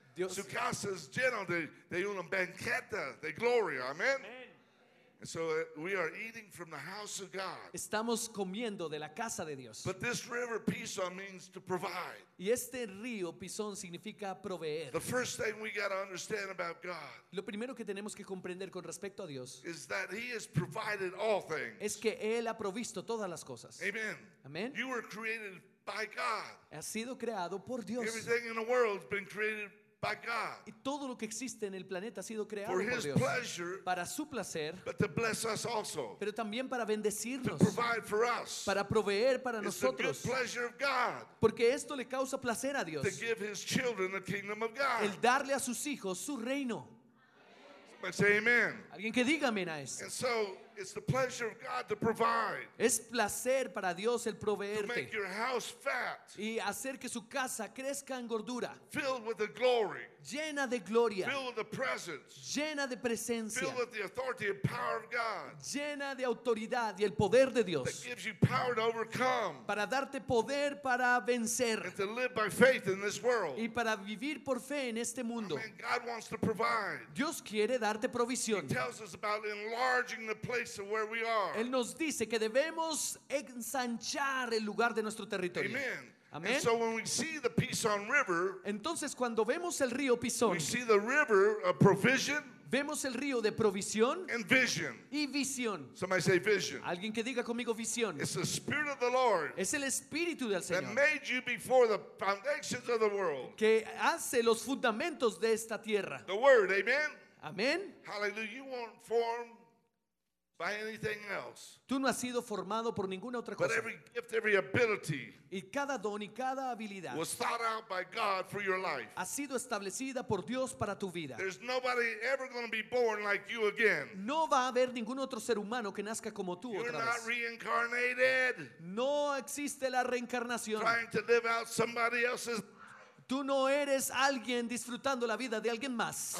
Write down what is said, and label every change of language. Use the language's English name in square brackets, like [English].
[Spanish] Su casa es llena de una banqueta de gloria, amén. [English] And so we are eating from the house of God. [Spanish] Estamos comiendo de la casa de Dios. [English] But this river Pison means to provide. [Spanish] Y este río Pison significa proveer. [English] The first thing we got to understand about God. [Spanish] Lo primero que tenemos que comprender con respecto a Dios. [English] Is that He has provided all things. [Spanish] Es que él ha provisto todas las cosas. Amen. Amen. [English] You were created by God. [Spanish] Has sido creado por Dios. [English] Everything in the world's been created by God. [Spanish] Y todo lo que existe en el planeta ha sido creado por Dios. [English] For His pleasure. [Spanish] Para su placer. [English] But to bless us also. [Spanish] Pero también para bendecirnos. [English] To provide for us. [Spanish] Para proveer para nosotros. [English] It's the good pleasure of God. [Spanish] Porque esto le causa placer a Dios. [English] To give His children the kingdom of God. [Spanish] El darle a sus hijos su reino. [English] Somebody say amen. [Spanish] Alguien que diga amén a eso. [English] And so it's the pleasure of God to provide. [Spanish] Es placer para Dios el proveerte. [English] To make your house fat. [Spanish] Y hacer que su casa crezca en gordura. [English] Filled with the glory. [Spanish] Llena de gloria. [English] Filled with the presence. [Spanish] Llena de presencia. [English] Filled with the authority and power of God. [Spanish] Llena de autoridad y el poder de Dios. [English] That gives you power to overcome. [Spanish] Para darte poder para vencer. [English] And to live by faith in this world. [Spanish] Y para vivir por fe en este mundo. [English] Amen. God wants to provide. [Spanish] Dios quiere darte provisión. [English] He tells us about enlarging the place of where we are. [Spanish] Él nos dice que debemos ensanchar el lugar de nuestro territorio. Amen. Amen. [English] And so when we see the Pison River, [Spanish] entonces cuando vemos el río Pison, [English] we see the river of provision. [Spanish] Vemos el río de provisión [English] and vision. [Spanish] Y visión. [English] Somebody say vision. [Spanish] Alguien que diga conmigo visión. [English] It's the Spirit of the Lord. [Spanish] Es el Espíritu del Señor. [English] That made you before the foundations of the world. [Spanish] Que hace los fundamentos de esta tierra. [English] The word, amen. Amen. Hallelujah. You weren't formed by anything else. [Spanish] Tú no has sido formado por ninguna otra cosa. [English] But every gift, every ability, [Spanish] y cada don y cada habilidad, [English] was thought out by God for your life. [Spanish] Ha sido establecida por Dios para tu vida. [English] There's nobody ever going to be born like you again. [Spanish] No va a haber ningún otro ser humano que nazca como tú [English] You're [Spanish] otra [English] not Reincarnated. [Spanish] No existe la reencarnación. [English] Trying to live out somebody else's. [Spanish] Tú no eres alguien disfrutando la vida de alguien más.